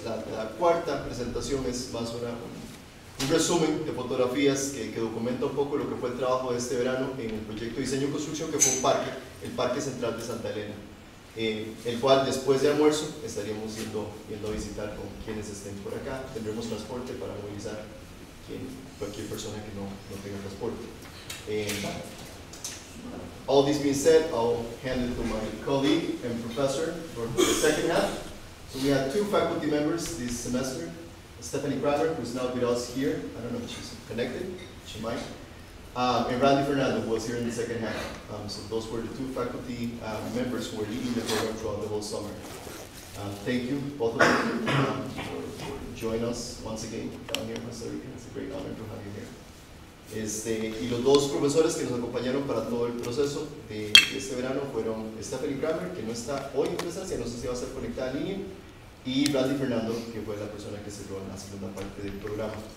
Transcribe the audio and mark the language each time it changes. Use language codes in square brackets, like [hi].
[es] La cuarta presentación es más un resumen de fotografías que documenta un poco lo que fue el trabajo de este verano en el proyecto de diseño y construcción, que fue un parque, el Parque Central de Santa Elena. El cual después de almuerzo estaríamos yendo a visitar con quienes estén por acá. Tendremos transporte para movilizar cualquier persona que no tenga transporte. [en] All this being said, I'll hand it to my colleague and professor for the second half. So we have two faculty members this semester. Stephanie Kramer, who's now with us here. I don't know if she's connected. She might. And Randy Fernando was here in the second half. So those were the two faculty members who were leading the program throughout the whole summer. Thank you, both of you, for joining us once again down here in Costa Rica. It's a great honor to have you here. [es] Y los dos profesores que nos acompañaron para todo el proceso de este verano fueron Stephanie Kramer, que no está hoy en presencia, no sé si va a ser conectada en línea, y Randy Fernando, que fue la persona que cerró en la segunda parte del programa.